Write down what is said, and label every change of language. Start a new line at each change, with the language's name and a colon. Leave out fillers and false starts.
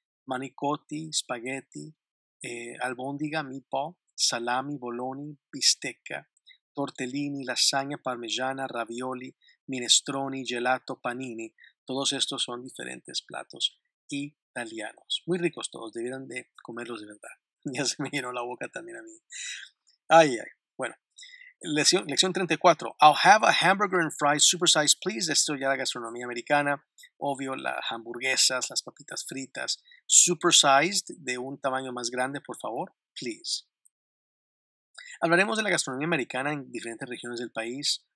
Italian: Manicotti, spaghetti, albóndiga, meatball, salami, bologna, bistecca, tortellini, lasagna, parmigiana, ravioli, minestrone, gelato, panini.
Spanish: Todos estos son diferentes platos italianos. Muy ricos todos, debieran de comerlos de verdad. Ya se me llenó la boca también a mí. Ay, ay, bueno. Lección 34.
English: I'll have a hamburger and fries supersized, please.
Spanish: Esto ya la gastronomía americana. Obvio, las hamburguesas, las papitas fritas. Supersized, de un tamaño más grande, por favor, please. Hablaremos de la gastronomía americana en diferentes regiones del país.